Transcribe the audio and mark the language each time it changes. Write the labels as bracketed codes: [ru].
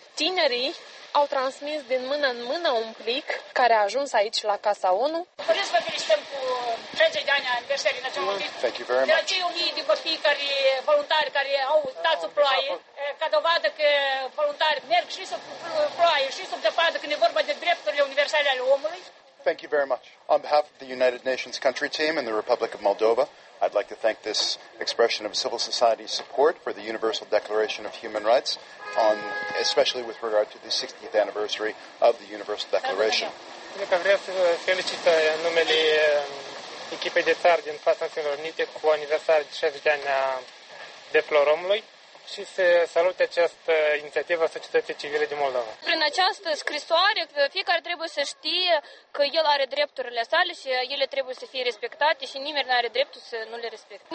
[ro] Tinerii au transmis din mână în mână un plic care a ajuns aici la Casa ONU. Vreau să vă felicităm cu 30 de ani aniversării Națiunilor Unite. De aceea 1000 de copii care, voluntari care au stat sub ploaie, ca dovadă că voluntari merg și sub ploaie și sub zăpadă când e vorba de drepturile universale ale omului. [en] Thank you very much. On behalf of the United Nations Country Team and the Republic of Moldova, I'd like to thank this expression of civil society's support for the Universal Declaration of Human Rights, on especially with regard to the 60th anniversary of the Universal Declaration. [ro] Vreau să felicit în numele echipei de țară din fața Națiunilor Unite cu aniversarea de 60 de ani a Drepturilor Omului și să salut această inițiativă a societății civile din Moldova. Prin această scrisoare, fiecare trebuie să știe că el are drepturile sale și ele trebuie să fie respectate și nimeni nu are dreptul să nu le respecte.